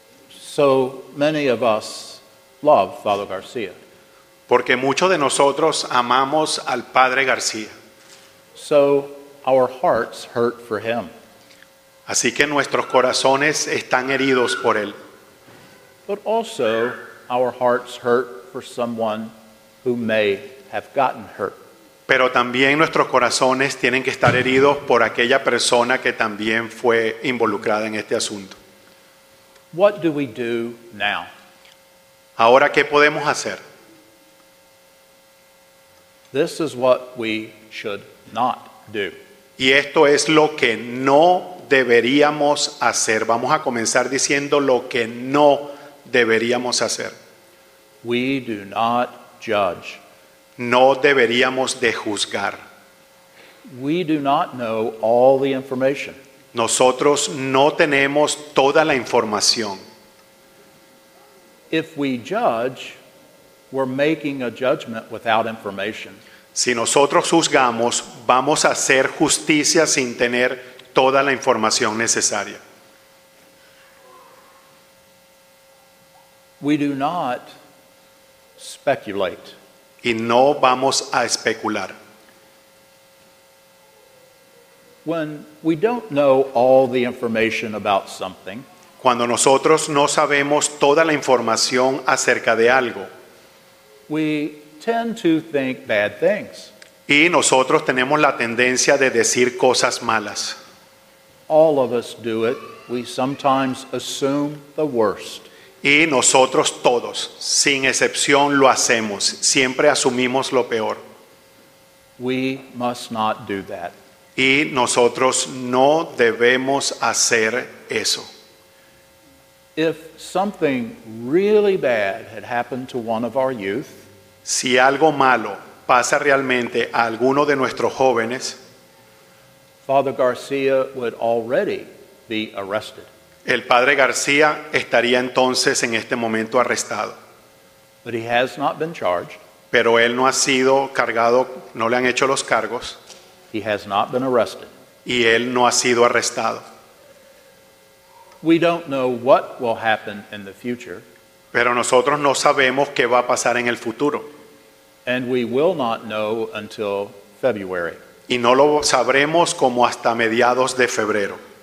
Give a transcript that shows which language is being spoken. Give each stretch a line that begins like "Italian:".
English: So many of us love Father García.
Spanish: Porque muchos de nosotros amamos al Padre García.
English: So our hearts hurt for him.
Spanish: Así que nuestros corazones están heridos por él.
English: But also our hearts hurt for someone who may have gotten hurt.
Spanish: Pero también nuestros corazones tienen que estar heridos por aquella persona que también fue involucrada en este asunto.
English: What do we do now?
Spanish: Ahora, ¿qué podemos hacer?
English: This is what we should not do.
Spanish: Y esto es lo que no deberíamos hacer. Vamos a comenzar diciendo lo que no deberíamos hacer.
English: We do not judge.
Spanish: No deberíamos de juzgar.
English: We do not know all the information.
Spanish: Nosotros no tenemos toda la información.
English: If we judge, we're making a judgment without information.
Spanish: Si nosotros juzgamos, vamos a hacer justicia sin tener toda la información necesaria.
English: We do not speculate.
Spanish: Y no vamos a especular.
English: When we don't know all the information about something,
Spanish: cuando nosotros no sabemos toda la información acerca de algo,
English: we tend to think bad things.
Spanish: Y nosotros tenemos la tendencia de decir cosas malas.
English: All of us do it. We sometimes assume the worst.
Spanish: Y nosotros todos, sin excepción, lo hacemos. Siempre asumimos lo peor.
English: We must not do that.
Spanish: Y nosotros no debemos hacer eso.
English: If something really bad had happened to one of our youth,
Spanish: si algo malo pasa realmente a alguno de nuestros jóvenes,
English: Father García would already be arrested.
Spanish: El Padre García estaría entonces en este momento arrestado.
English: But he has not been charged.
Spanish: Pero él no ha sido cargado, no le han hecho los cargos.
English: He has not been arrested.
Spanish: Y él no ha sido arrestado.
English: We don't know what will happen in the future.
Spanish: Pero nosotros no sabemos qué va a pasar en el futuro.
English: And we will not know until February.
Spanish: Y no lo sabremos como hasta mediados de febrero.